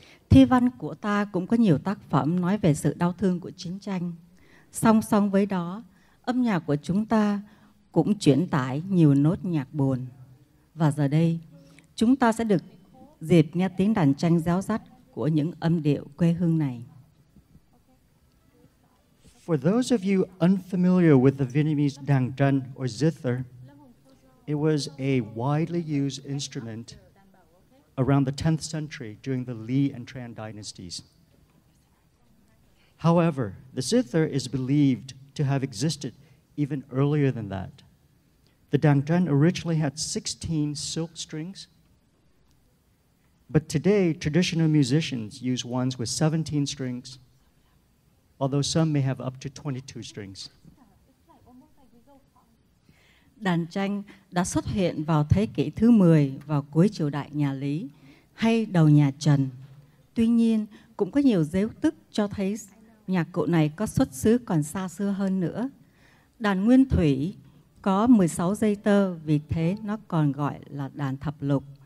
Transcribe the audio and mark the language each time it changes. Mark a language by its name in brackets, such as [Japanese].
[Vietnamese] Thi văn của ta cũng có nhiều tác phẩm nói về sự đau thương của chiến tranh. Song song với đó, âm nhạc của chúng ta cũng chuyển tải nhiều nốt nhạc buồn. Và giờ đây, chúng ta sẽ được dịp nghe tiếng đàn tranh réo rắt của những âm điệu quê hương này. [English] For those of you unfamiliar with the Vietnamese dang tran or zither, it was a widely used instrument around the 10th century during the Li and Tran dynasties. However, the zither is believed to have existed even earlier than that. The dang tran originally had 16 silk strings, but today traditional musicians use ones with 17 strings, although some may have up to 22 strings. [Vietnamese] Đàn tranh đã xuất hiện vào thế kỷ thứ 10 vào cuối triều đại nhà Lý hay đầu nhà Trần. Tuy nhiên, cũng có nhiều dấu tích cho thấy nhạc cụ này có xuất xứ còn xa xưa hơn nữa. Đàn nguyên thủy có 16 dây tơ, vì thế nó còn gọi là đàn thập lục.